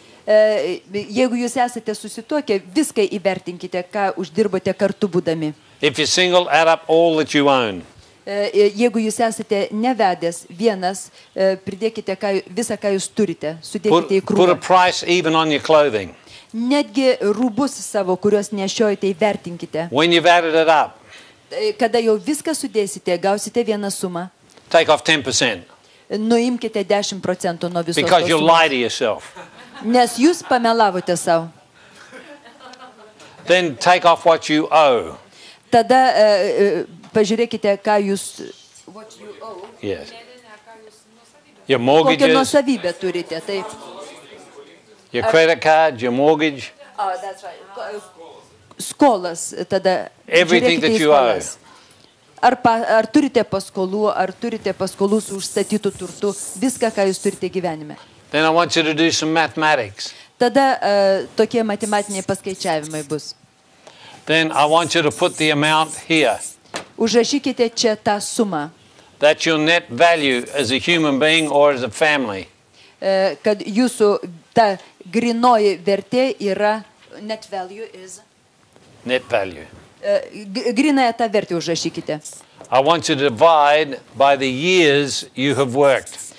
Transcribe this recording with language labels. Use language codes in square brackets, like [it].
[lt] Jeigu jūs esate susituokę, viską įvertinkite, ką uždirbote kartu būdami. [en] If you're single, add up all that you own. [lt] Jeigu jūs esate nevedęs vienas, pridėkite visą, ką jūs turite, sudėkite į krūvą. [en] Put a price even on your clothing. [lt] Netgi rūbus savo, kuriuos nešiojate, įvertinkite. [en] When you've added it up. [lt] Kada jau viską sudėsite, gausite vieną sumą. [en] Take off 10%. [lt] Nuimkite 10% nuo visos. [en] Because you lie to yourself. [lt] Nes jūs pamelavote sau. [en] Then take off what you owe. [lt] Tada pažiūrėkite, ką jūs... [en] What you owe? Yes. Your mortgages. [lt] Kokią nuosavybę turite, taip. [en] Your credit card, your mortgage. Oh, that's right. [lt] Skolas, tada [en] everything that you owe. [lt] Ar turite paskolų, ar turite paskolų su užstatytų turtu, viską, ką jūs turite gyvenime. [en] Then I want you to do some mathematics. [lt] Tada tokie matematiniai paskaičiavimai bus. [en] Then I want you to put the amount here. [lt] Užrašykite čia tą sumą. [en] That your net value as a human being or as a family. [lt] Kad jūsų ta grinoji vertė yra [en] net value is. Net value. [lt] Grinąją tą vertę užrašykite. [en] I want you to divide by the years you have worked.